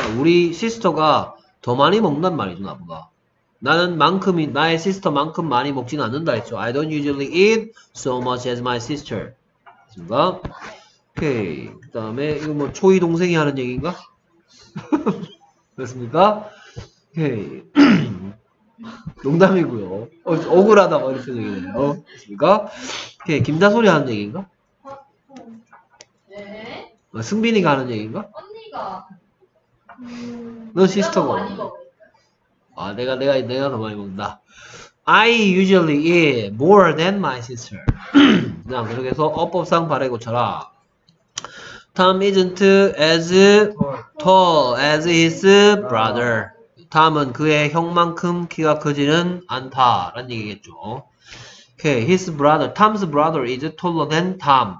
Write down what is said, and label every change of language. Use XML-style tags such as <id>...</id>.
<ko>우리 시스터가 더 많이 먹는단 말이죠, 나보다. 나는 만큼이 나의 시스터만큼 많이 먹지는 않는다 했죠.</ko> <en>I don't usually eat so much as my sister.</en> <ko>됐습니까? 오케이. 그다음에 이거 뭐 초이 동생이 하는 얘기인가? 됐습니까? 오케이. 농담이고요. 억울하다 이렇게 얘기해요. 됐습니까? 오케이. 김다솔이 하는 얘기인가? 네. 승빈이가 하는 얘기인가? 언니가. 너 시스터가. 아, 내가 더 많이 먹는다.</ko> <en>I usually eat more than my sister.</en> <ko>자, 계속해서 어법상 발에 고쳐라.</ko> <en>Tom isn't as tall as his brother.</en> <ko>Tom은 그의 형만큼 키가 크지는 않다라는 얘기겠죠.</ko> <en>Okay, his brother, Tom's brother is taller than Tom.</en>